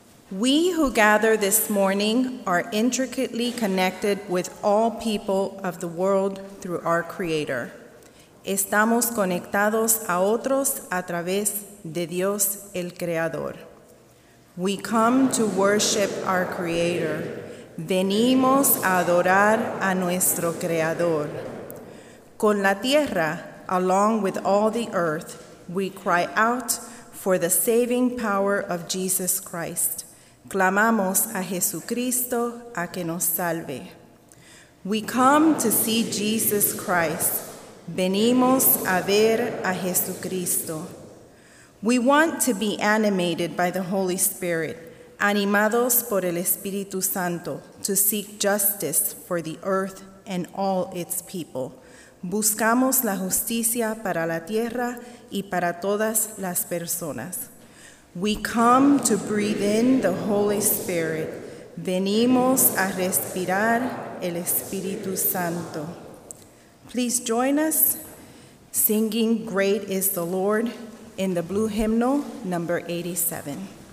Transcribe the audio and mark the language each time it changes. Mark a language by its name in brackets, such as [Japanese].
[English] We who gather this morning are intricately connected with all people of the world through our Creator. [Spanish] Estamos conectados a otros a través de Dios el Creador. [English] We come to worship our Creator. [Spanish] Venimos a adorar a nuestro Creador. Con la tierra, [English] along with all the earth, we cry out for the saving power of Jesus Christ. [Spanish] Clamamos a Jesucristo a que nos salve. [English] We come to see Jesus Christ. [Spanish] Venimos a ver a Jesucristo. [English] We want to be animated by the Holy Spirit, [Spanish] animados por el Espíritu Santo, [English] to seek justice for the earth and all its people. [Spanish] Buscamos la justicia para la tierra y para todas las personas. [English] We come to breathe in the Holy Spirit. [Spanish] Venimos a respirar el Espíritu Santo. [English] Please join us singing Great is the Lord in the blue hymnal number 87.